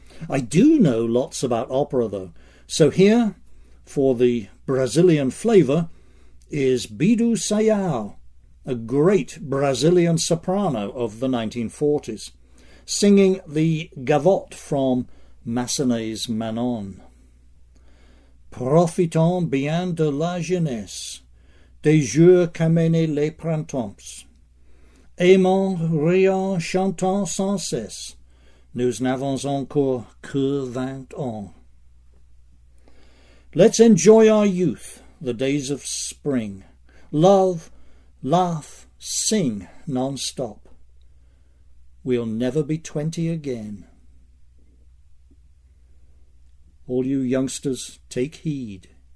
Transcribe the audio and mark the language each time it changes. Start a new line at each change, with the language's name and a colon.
English: I do know lots about opera, though, so here, for the Brazilian flavour, is Bidu Sayal, a great Brazilian soprano of the 1940s, singing the gavotte from Massenet's Manon.
French: Profitons bien de la jeunesse, des jours qu'amènent les printemps. Aimons, rions, chantons sans cesse, nous n'avons encore que 20 ans.
English: Let's enjoy our youth, the days of spring. Love, laugh, sing non-stop. We'll never be 20 again. All you youngsters, take heed.